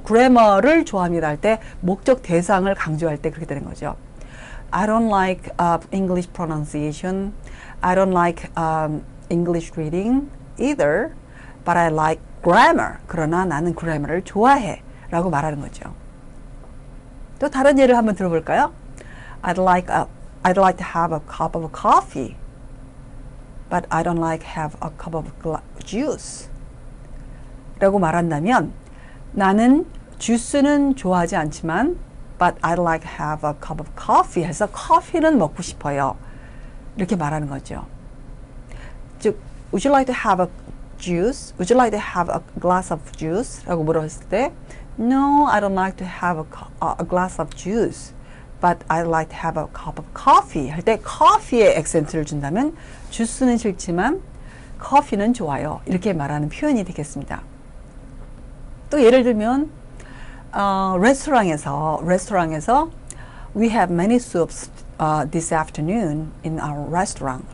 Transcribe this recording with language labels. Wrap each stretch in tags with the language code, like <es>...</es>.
<ko>grammar를 좋아합니다 할 때 목적 대상을 강조할 때 그렇게 되는 거죠.</ko> <en>I don't like English pronunciation. I don't like English reading either.</en> <ko>But I like grammar. 그러나 나는 grammar를 좋아해 라고 말하는 거죠. 또 다른 예를 한번 들어볼까요?</ko> <en>I'd like to have a cup of coffee, but I don't like have a cup of juice.</en> <ko>라고 말한다면 나는 주스는 좋아하지 않지만 but I'd like to have a cup of coffee 해서 커피는 먹고 싶어요. 이렇게 말하는 거죠.</ko> <en>즉, would you like to have a juice? Would you like to have a glass of juice? 라고 물었을 때 No, I don't like to have a glass of juice. But I'd like to have a cup of coffee.</en> <ko>할 때 커피의 액센트를 준다면 주스는 싫지만 커피는 좋아요. 이렇게 말하는 표현이 되겠습니다.</ko> <en>또 예를 들면 레스토랑에서 We have many soups this afternoon in our restaurant.</en>